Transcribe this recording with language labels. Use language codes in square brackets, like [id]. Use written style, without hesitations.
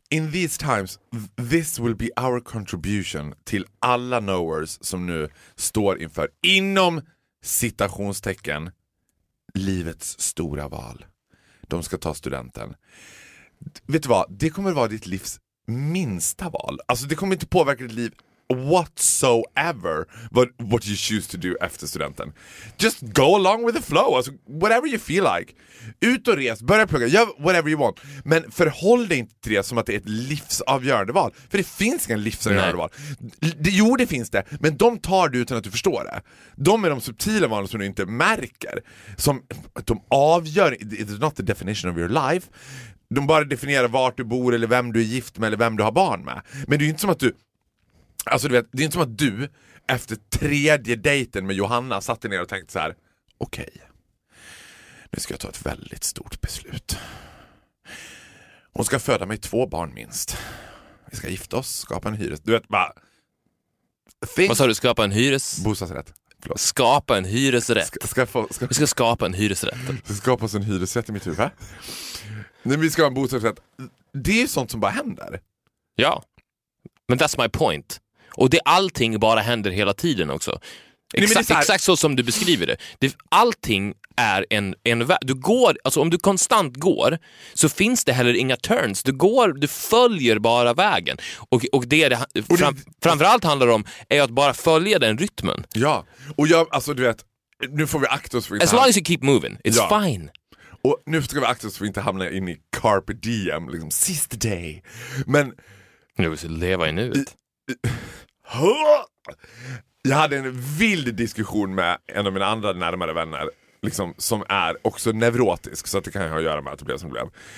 [en] In these times, this will be our contribution [sv] till alla knowers som nu står inför, inom citationstecken, livets stora val. De ska ta studenten. Vet du vad? Det kommer vara ditt livs minsta val. Alltså det kommer inte påverka ditt liv [en] whatsoever what you choose to do [sv] efter studenten. [en] Just go along with the flow, alltså, whatever you feel like. [sv] Ut och res, börja plugga, gör [en] whatever you want. [sv] Men förhåll dig inte till det som att det är ett livsavgörande val. För det finns ingen livsavgörande val. Jo, det finns det. Men de tar du utan att du förstår det. De är de subtila valen som du inte märker, som de avgör. [en] It's not the definition of your life. [sv] De bara definierar vart du bor, eller vem du är gift med, eller vem du har barn med. Men det är inte som att du... Alltså du vet, det är inte som att du efter tredje dejten med Johanna satt ner och tänkte så här: okej, nu ska jag ta ett väldigt stort beslut. Hon ska föda mig 2 barn minst. Vi ska gifta oss, skapa en hyres... Du vet, bara... Vad sa du? Skapa en hyres... Bostadsrätt. Förlåt. Skapa en hyresrätt. Vi ska skapa en hyresrätt. Vi ska skapa oss en hyresrätt i mitt huvud. Nej, vi ska ha en bostadsrätt. Det är sånt som bara händer. [en] Ja. Men that's my point. [sv] Och det, allting bara händer hela tiden också. Exakt så som du beskriver det. Allting är en väg. Du går, alltså om du konstant går, så finns det heller inga turns. Du går, du följer bara vägen. Och det är framförallt handlar om är att bara följa den rytmen. Ja, och jag, alltså du vet, nu får vi akta oss för att... [en] As long as you keep moving, it's fine. [sv] Och nu ska vi akta oss för att inte hamna in i carpe diem, liksom, sista day. Men... Nu vill vi leva i nuet. Jag hade en vild diskussion med en av mina andra närmare vänner liksom, som är också neurotisk, så att det kan ha att göra med att det blev som det blev.